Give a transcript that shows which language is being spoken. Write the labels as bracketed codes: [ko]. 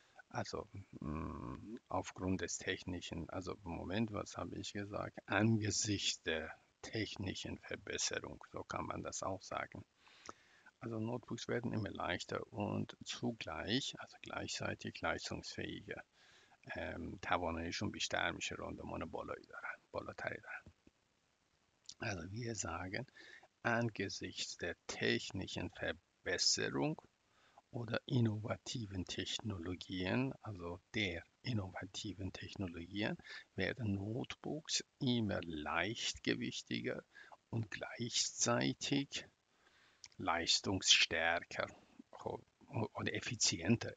[de] Also aufgrund des technischen, also im Moment, was habe ich gesagt, angesichts der technischen Verbesserung, so kann man das auch sagen. Also Notebooks werden immer leichter und zugleich, also gleichzeitig leistungsfähiger. [fa] تواناییشون بیشتر میشه، راندمان بالایی دارن، بالاتری دارن. [de] Also wir sagen angesichts der technischen Verbesserung oder innovativen Technologien, also der innovativen Technologien, werden Notebooks immer leichtgewichtiger und gleichzeitig leistungsstärker oder effizienter.